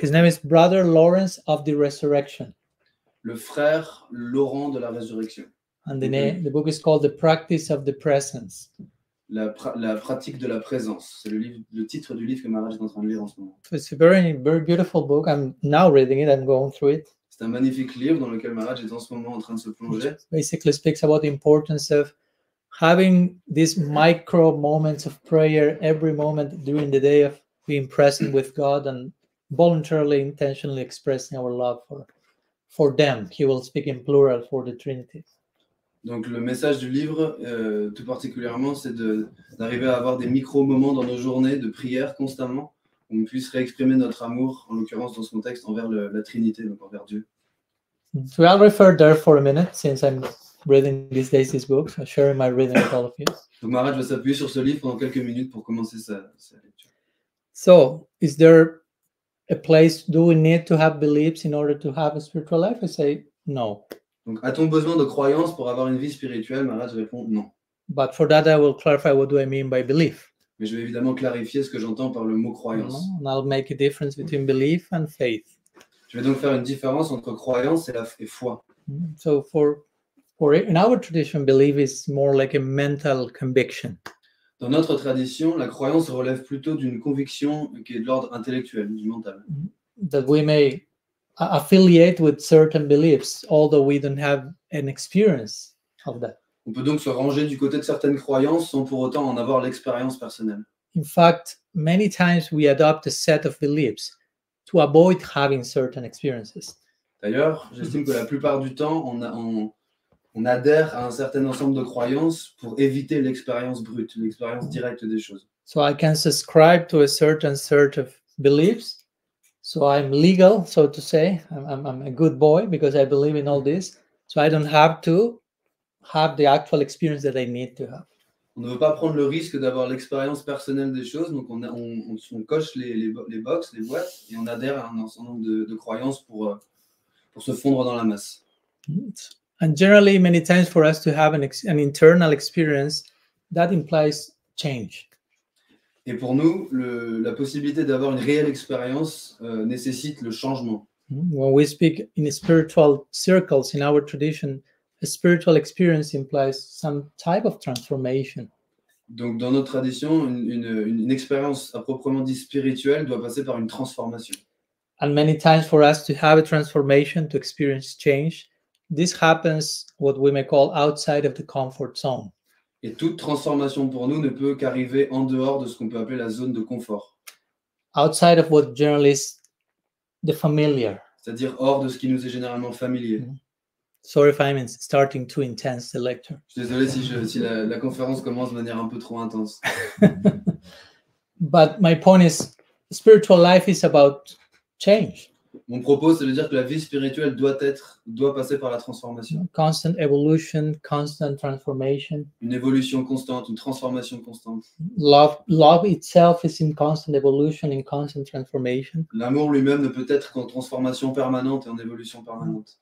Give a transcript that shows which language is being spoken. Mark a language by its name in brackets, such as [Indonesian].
[English] His name is Brother Lawrence of the Resurrection. [French] Le frère Laurent de la Résurrection. [English] And the name, the book is called The Practice of the Presence. [French] La pratique de la présence. C'est le titre du livre que Maharaj est en train de lire en ce moment. [English] It's a very, very beautiful book. I'm now reading it. I'm going through it. [French] C'est un magnifique livre dans lequel Maharaj est en ce moment en train de se plonger. [English] It basically speaks about the importance of having these micro moments of prayer every moment during the day of being present with God and voluntarily, intentionally expressing our love for them. He will speak in plural for the Trinity. [French] Donc le message du livre, tout particulièrement, c'est d'arriver à avoir des micro-moments dans nos journées de prière constamment, où on puisse réexprimer notre amour, en l'occurrence dans ce contexte, envers la Trinité, donc envers Dieu. [English] So I'll refer there for a minute, since I'm reading these days this book, so sharing my reading with all of you. [French] Donc Maharaj va s'appuyer sur ce livre pendant quelques minutes pour commencer sa lecture. [English] So, is there a place, do we need to have beliefs in order to have a spiritual life? I say, no. [French] Donc, a-t-on besoin de croyances pour avoir une vie spirituelle? Maharaj répond, non. [English] But for that, I will clarify what do I mean by belief. [French] Mais je vais évidemment clarifier ce que j'entends par le mot croyance. [English] And I'll make a difference between belief and faith. [French] Je vais donc faire une différence entre croyance et foi. [English] So for in our tradition, belief is more like a mental conviction. [French] Dans notre tradition, la croyance relève plutôt d'une conviction qui est de l'ordre intellectuel, du mental. [English] That we may affiliate with certain beliefs, although we don't have an experience of that. [French] On peut donc se ranger du côté de certaines croyances sans pour autant en avoir l'expérience personnelle. [English] In fact, many times we adopt a set of beliefs to avoid having certain experiences. [French] D'ailleurs, j'estime que la plupart du temps, on adhère à un certain ensemble de croyances pour éviter l'expérience brute, l'expérience directe des choses. [English] So I can subscribe to a certain set of beliefs. So I'm legal, so to say. I'm a good boy because I believe in all this. So I don't have to have the actual experience that I need to have. [French] On ne veut pas prendre le risque d'avoir l'expérience personnelle des choses, donc on coche les boxes, les boîtes, et on adhère à un certain nombre de croyances pour se fondre dans la masse. [English] And generally, many times for us to have an internal experience, that implies change. [French] Et pour nous, la possibilité d'avoir une réelle expérience nécessite le changement. [English] When we speak in spiritual circles, in our tradition, a spiritual experience implies some type of transformation. [French] Donc, dans notre tradition, une expérience à proprement dit spirituelle doit passer par une transformation. [English] And many times for us to have a transformation, to experience change, this happens what we may call outside of the comfort zone. [French] Et toute transformation pour nous ne peut qu'arriver en dehors de ce qu'on peut appeler la zone de confort. [English] Outside of what generally is the familiar. [French] C'est-à-dire hors de ce qui nous est généralement familier. Mm-hmm. [English] Sorry if I'm starting too intense the lecture. [French] Je suis désolé si la conférence commence de manière un peu trop intense. [English] But my point is, spiritual life is about change. [French] Mon propos, c'est de dire que la vie spirituelle doit passer par la transformation. [English] Constant evolution, constant transformation. [French] Une évolution constante, une transformation constante. [English] Love itself is in constant evolution, in constant transformation. [French] L'amour lui-même ne peut être qu'en transformation permanente et en évolution permanente.